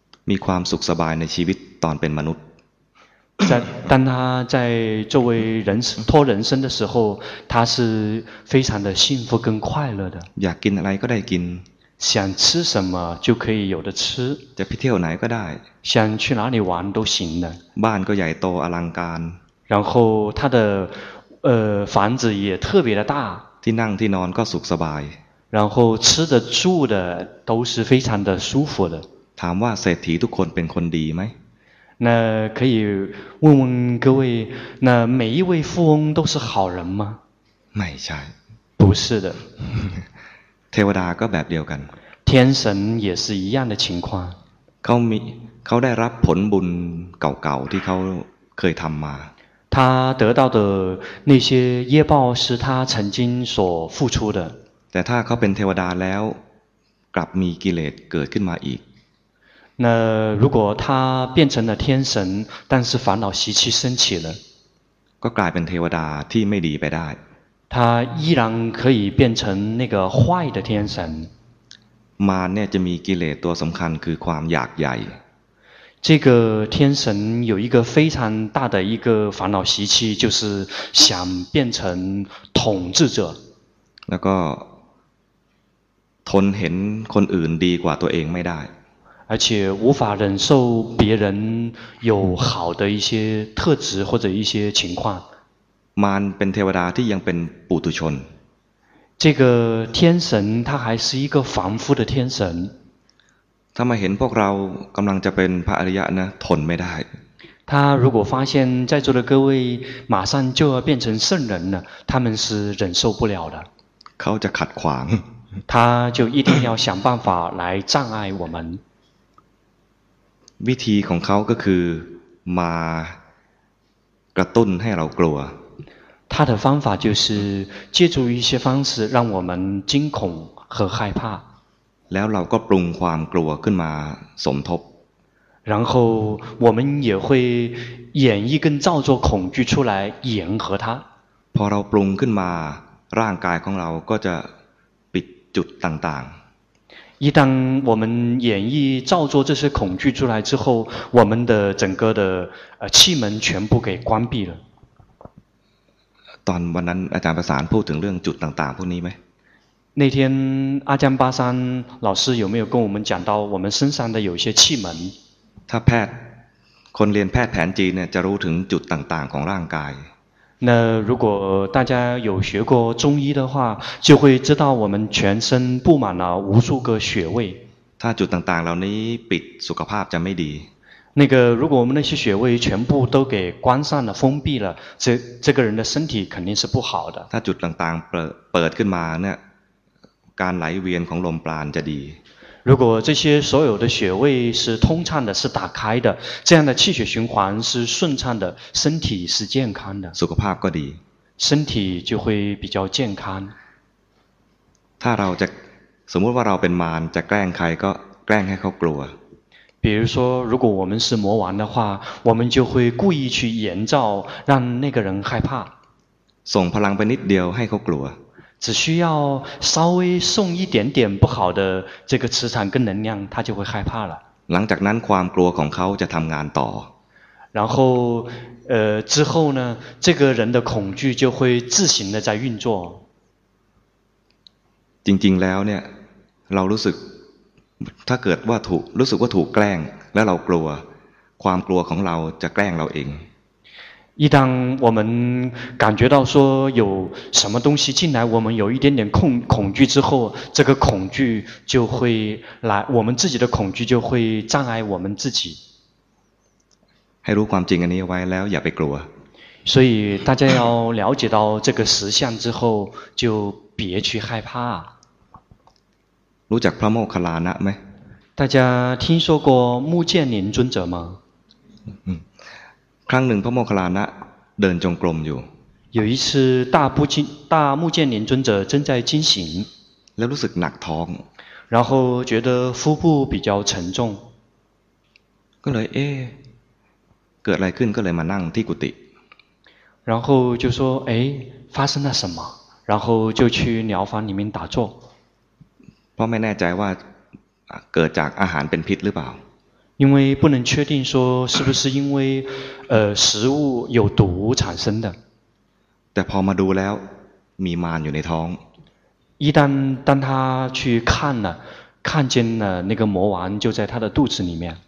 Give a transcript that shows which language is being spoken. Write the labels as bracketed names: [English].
[Thai] มีความสุขสบายในชีวิตตอนเป็นมนุษย์ [Chinese] 当他在作为人托人生的时候他是非常的幸福跟快乐的 [Thai] อยากกินอะไรก็ได้กิน [Chinese] 想吃什么就可以有的吃 [Thai] จะไปเที่ยวไหนก็ได้ [Chinese] 想去哪里玩都行的 [Thai] บ้านก็ใหญ่โตอลังการ [Chinese] 然后他的房子也特别的大 [Thai] ที่นั่งที่นอนก็สุขสบาย [Chinese] 然后吃的住的都是非常的舒服的 [Thai] ถามว่าเศรษฐีทุกคนเป็นคนดีไหม [Chinese] 那可以问问各位，那每一位富翁都是好人吗？ [Thai] ไม่ใช่ [Chinese] 不是的。 [Thai] เทวดาก็แบบเดียวกัน [Chinese] 天神也是一样的情况。 [Thai] เขาได้รับผลบุญเก่าๆที่เขา คยทำมา [Chinese] 他得到的那些业报是他曾经所付出的 [Thai] แต่ถ้าเขาเป็นเทวดาแล้วกลับมีกิเลสเกิดขึ้นมาอีก [Chinese] 那如果他变成了天神但是烦恼习气升起了 [Thai] ก็กลายเป็นเทวดาที่ไม่ดีไปได้ [Chinese] 他依然可以变成那个坏的天神 [Thai] มาเนี่ยจะมีกิเลสตัวสำคัญคือความอยากใหญ่ [Chinese] 这个天神有一个非常大的一个烦恼习气，就是想变成统治者。然后，吞忍看别人比自己强不得。而且无法忍受别人有好的一些特质或者一些情况。 [Thai] man เป็นเทวดาที่ยังเป็นปุถุชน。 [Chinese] 这个天神他还是一个凡夫的天神。 [Thai] ถ้ามาเห็นพวกเรากำลังจะเป็นพระอริยะนะทนไม่ได้ [Chinese] 他如果发现在座的各位马上就要变成圣人了他们是忍受不了的 [Thai] เขาจะขัดขวาง [Chinese] 他就一定要想办法来障碍我们 [Thai] วิธีของเขาก็คือมากระตุ้นให้เรากลัว [Chinese] 他的方法就是借助一些方式让我们惊恐和害怕 [Thai] แล้วเราก็ปรุงความกลัวขึ้นมาสมทบ [Chinese] 然后我们也会演绎跟造作恐惧出来演和它 [Thai] พอเราปรุงขึ้นมาร่างกายของเราก็จะปิดจุดต่าง [Chinese] ๆ一旦我们演绎造作这些恐惧出来之后我们的整个的气门全部给关闭了 [Thai] ตอนวันนั้นอาจารย์ประสานพูดถึงเรื่องจุดต่างๆพวกนี้ไหม [Chinese] 那天阿江巴山老师有没有跟我们讲到我们身上的有些气门 [Thai] 他แพทย์คนเรียนแพทย์แผนจีนเนี่ยจะรู้ถึงจุดต่างๆของร่างกาย [Chinese] 那如果大家有学过中医的话就会知道我们全身布满了无数个穴位 [Thai] ถ้าจุดต่างๆเหล่านี้ปิดสุขภาพจะไม่ดี [Chinese] 那个如果我们那些穴位全部都给关上了封闭了这个人的身体肯定是不好的 [Thai] ถ้าจุดต่างๆเปิดขึ้นมาเนี่ยการไหลเวียนของลมปราณจะดี [Chinese] 如果这些所有的穴位是通畅的是打开的这样的气血循环是顺畅的身体是健康的 [Thai] สุขภาพก็ดี [Chinese] 身体就会比较健康 [Thai] ถ้าเราจะสมมุติว่าเราเป็นมารจะแกล้งใครก็แกล้งให้เขากลัว [Chinese] 比如说如果我们是魔王的话我们就会故意去营造让那个人害怕 [Thai] ส่งพลังไปนิดเดียวให้เขากลัว [Chinese] 只需要稍微送一点点不好的这个磁场跟能量他就会害怕了 [Thai] หลังจากนั้นความกลัวของเขาจะทำงานต่อ [Chinese] 然后之后呢这个人的恐惧就会自行的在运作 [Thai] จริงๆแล้วเนี่ยเรารู้สึกถ้าเกิดว่าถูกรู้สึกว่าถูกแกล้งแล้วเรากลัวความกลัวของเราจะแกล้งเราเอง [Chinese] 一旦我们感觉到说有什么东西进来我们有一点点恐惧之后这个恐惧就会来我们自己的恐惧就会障碍我们自己 [Thai] ให้รู้ความจริงอันนี้ไว้แล้วอย่าไปกลัว [Chinese] 所以大家要了解到这个实相之后就别去害怕 [Thai] รู้จักพระโมคคัลลานะไหม [Chinese] 大家听说过目犍连尊者吗 [Thai] ครั้งหนึ่งพระโมคคัลลานะเดินจงกรมอยู่ [Chinese] 有一次大目犍连尊者正在进行 [Thai] แล้วรู้สึกหนักท้อง [Chinese] 然后觉得腹部比较沉重 [Thai] ก็เลยเกิดอะไรขึ้นก็เลยมานั่งที่กุฏิ [Chinese] 然后就说发生了什么然后就去疗房里面打坐 [Thai] เพราะไม่แน่ใจว่าเกิดจากอาหารเป็นพิษหรือเปล่า [Chinese] 因为不能确定说是不是因为食物有毒产生的 [Thai] แต่พอมาดูแล้วมีมารอยู่ในท้อง [Chinese] 一旦当他去看了看见了那个魔王就在他的肚子里面